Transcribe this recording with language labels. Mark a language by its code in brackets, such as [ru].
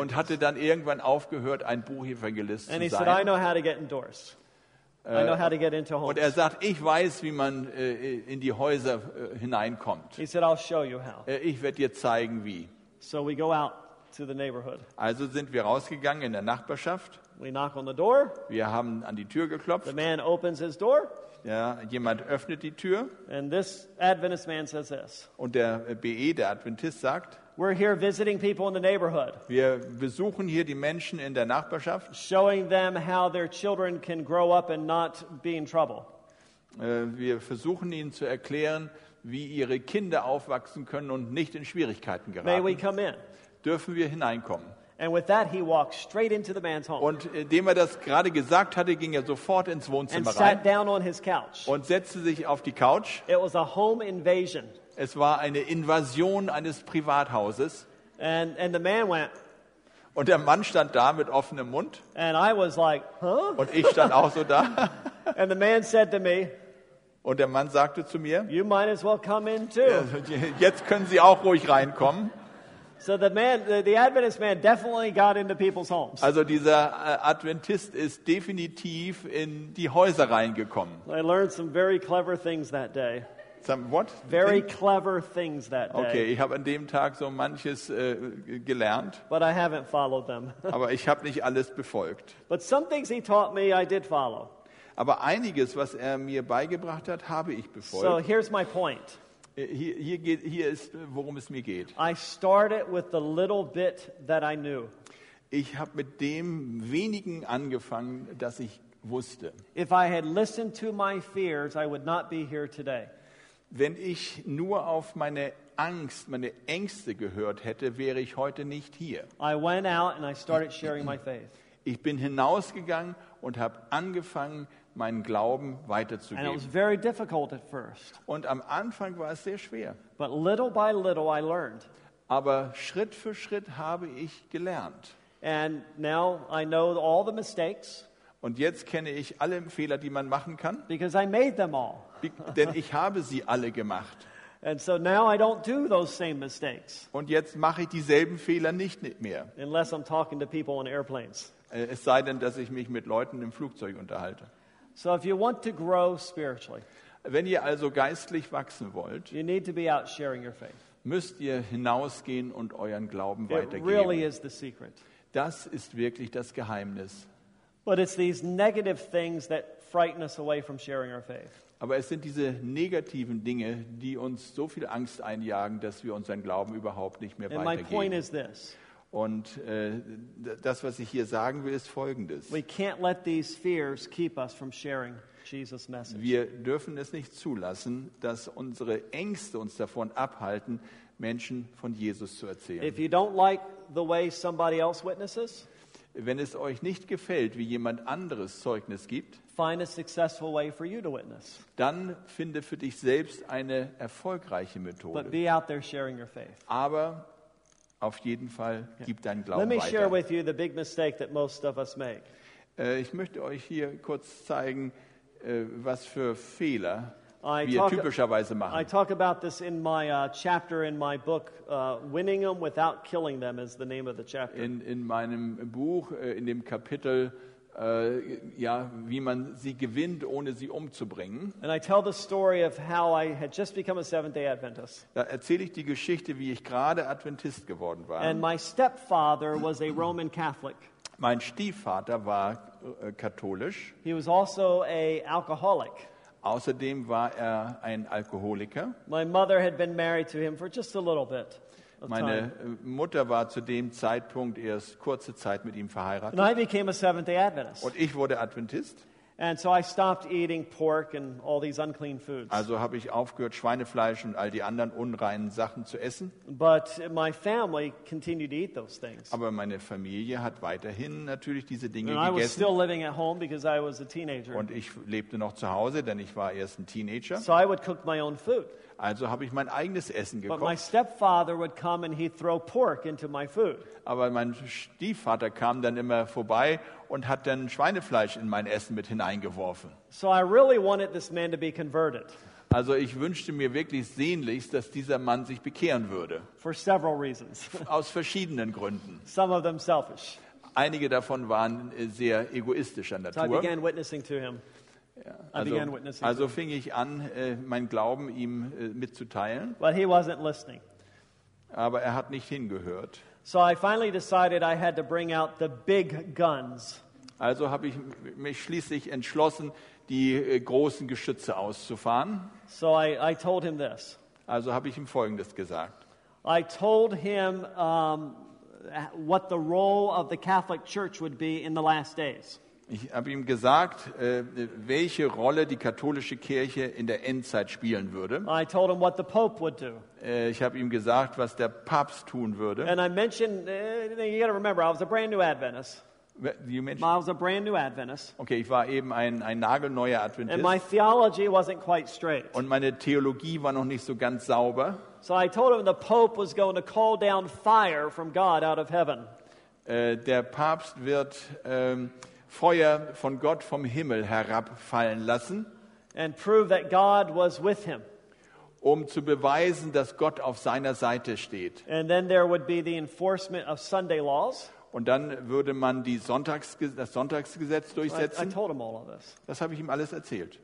[de] Und hatte dann irgendwann aufgehört, ein Buchevangelist and zu sein. [en] And he said, I know how to get indoors. I know how to get into homes. [de] Und er sagt, ich weiß, wie man in die Häuser hineinkommt. [en] He said, I'll show you how. [de] Ich werde dir zeigen, wie. [en] So we go out. To the neighborhood. [de] Also sind wir rausgegangen in der Nachbarschaft. [en] We knock on the door. [de] Wir haben an die Tür geklopft. [en] The man opens his door. [de] Ja, jemand öffnet die Tür. [en] And this Adventist man says this. [de] Und der BE, der Adventist, sagt, [en] we're here visiting people in the neighborhood. [de] Wir besuchen hier die Menschen in der Nachbarschaft. [en] Showing them how their children can grow up and not be in trouble. [de] Wir versuchen ihnen zu erklären, wie ihre Kinder aufwachsen können und nicht in Schwierigkeiten geraten. [en] May we come in. [de] Dürfen wir hineinkommen. [en] And with that he walked straight into the man's home. [de] Und indem er das gerade gesagt hatte, ging er sofort ins Wohnzimmer and rein. [en] Sat down on his couch. [de] Und setzte sich auf die Couch. [en] It was a home invasion. [de] Es war eine Invasion eines Privathauses. [en] And the man went. [de] Und der Mann stand da mit offenem Mund. [en] And I was like, huh? [de] Und ich stand auch so da. [en] And the man said to me, [de] und der Mann sagte zu mir, [en] you might as well come in too. [de] Jetzt können Sie auch ruhig reinkommen. [en] So the Adventist man definitely got into people's homes. [de] Also dieser Adventist ist definitiv in die Häuser reingekommen. [en] I learned some very clever things that day. Some what? Very clever things that day. [de] Okay, ich habe an dem Tag so manches gelernt. [en] But I haven't followed them. [de] Aber ich habe nicht alles befolgt. [en] But some things he taught me I did follow. [de] Aber einiges, was er mir beigebracht hat, habe ich befolgt. [en] So here's my point. [de] Hier ist, worum es mir geht. [en] I started with the little bit that I knew. [de] Ich habe mit dem wenigen angefangen, das ich wusste. [en] If I had listened to my fears, I would not be here today. [de] Wenn ich nur auf meine Angst, meine Ängste gehört hätte, wäre ich heute nicht hier. [en] I went out and I started sharing my faith. [de] Ich bin hinausgegangen und habe angefangen, meinen Glauben weiterzugeben. [en] And it was very difficult at first. [de] Und am Anfang war es sehr schwer. [en] But little by little I learned. [de] Aber Schritt für Schritt habe ich gelernt. [en] And now I know all the mistakes. [de] Und jetzt kenne ich alle Fehler, die man machen kann. [en] Because I made them all. [de] Denn ich habe sie alle gemacht. [en] And so now I don't do those same mistakes. [de] Und jetzt mache ich dieselben Fehler nicht mehr. [en] Unless I'm talking to people on airplanes. [de] Es sei denn, dass ich mich mit Leuten im Flugzeug unterhalte. [en] So if you want to grow spiritually, [de] wenn ihr also geistlich wachsen wollt, [en] you need to be out sharing your faith. [de] Müsst ihr hinausgehen und euren Glauben weitergeben. [en] It really is the secret. [de] Das ist wirklich das Geheimnis. [en] But it's these negative things that frighten us away from sharing our faith. [de] Aber es sind diese negativen Dinge, die uns so viel Angst einjagen, dass wir unseren Glauben überhaupt nicht mehr weitergeben. [en] And my point is this. [de] Und das, was ich hier sagen will, ist Folgendes. [en] We can't let these fears keep us from sharing Jesus' message. [de] Wir dürfen es nicht zulassen, dass unsere Ängste uns davon abhalten, Menschen von Jesus zu erzählen. [en] If you don't like the way somebody else witnesses, [de] wenn es euch nicht gefällt, wie jemand anderes Zeugnis gibt, [en] find a successful way for you to witness. [de] Dann finde für dich selbst eine erfolgreiche Methode. [en] But be out there sharing your faith. [de] Aber auf jeden Fall gib deinen Glauben weiter. [en] Let me share with you the big mistake that most of us make. [de] Ich möchte euch hier kurz zeigen, was für Fehler wir typischerweise machen. [en] I talk about this in my chapter in my book, Winning Them Without Killing Them is the name of the chapter. [de] In meinem Buch, in dem Kapitel, wie man sie gewinnt, ohne sie umzubringen. [en] And I tell the story of how I had just become a Seventh-day Adventist. [de] Da erzähle ich die Geschichte, wie ich gerade Adventist geworden war. [en] And my stepfather was a Roman Catholic. [de] Mein Stiefvater war katholisch. [en] He was also a alcoholic. [de] Außerdem war er ein Alkoholiker. [en] My mother had been married to him for just a little bit. [de] Meine Mutter war zu dem Zeitpunkt erst kurze Zeit mit ihm verheiratet. [en] And I became a Seventh-day Adventist. [de] Und ich wurde Adventist. [en] And so I stopped eating pork and all these unclean foods. [de] Also habe ich aufgehört, Schweinefleisch und all die anderen unreinen Sachen zu essen. [en] But my family continued to eat those things. [de] Aber meine Familie hat weiterhin natürlich diese Dinge and gegessen. [en] I was still living at home because I was a teenager. [de] Und ich lebte noch zu Hause, denn ich war erst ein Teenager. [en] So I would cook my own food. [de] Also habe ich mein eigenes Essen gekocht. [en] But my stepfather would come and he'd throw pork into my food. [de] Aber mein Stiefvater kam dann immer vorbei und hat dann Schweinefleisch in mein Essen mit hineingeworfen. [en] So I really wanted this man to be converted. [de] Also ich wünschte mir wirklich sehnlichst, dass dieser Mann sich bekehren würde. [en] For several reasons. [de] Aus verschiedenen Gründen. [en] Some of them selfish. [de] Einige davon waren sehr egoistischer Natur. [en] So I began witnessing to him. [de] Also fing ich an, meinen Glauben ihm mitzuteilen. [en] But he wasn't listening. [de] Aber er hat nicht hingehört. [en] So I finally decided I had to bring out the big guns. [de] Also habe ich mich schließlich entschlossen, die großen Geschütze auszufahren. [en] So I told him this. [de] Also habe ich ihm Folgendes gesagt. [en] I told him what the role of the Catholic Church would be in the last days. [de] Ich habe ihm gesagt, welche Rolle die katholische Kirche in der Endzeit spielen würde. [en] I told him what the Pope would do. [de] Ich habe ihm gesagt, was der Papst tun würde. [en] And I mentioned, you got to remember, I was a brand new Adventist. I was a brand new Adventist. [de] Okay, ich war eben ein nagelneuer Adventist. [en] And my theology wasn't quite straight. [de] Und meine Theologie war noch nicht so ganz sauber. [en] So I told him the Pope was going to call down fire from God out of heaven. [de] Der Papst wird Feuer von Gott vom Himmel herabfallen lassen, [en] and prove that God was with him. [de] Um zu beweisen, dass Gott auf seiner Seite steht. [en] And then there would be the enforcement of Sunday laws. [de] Und dann würde man das Sonntagsgesetz durchsetzen. [en] I told him all of this. [de] Das habe ich ihm alles erzählt.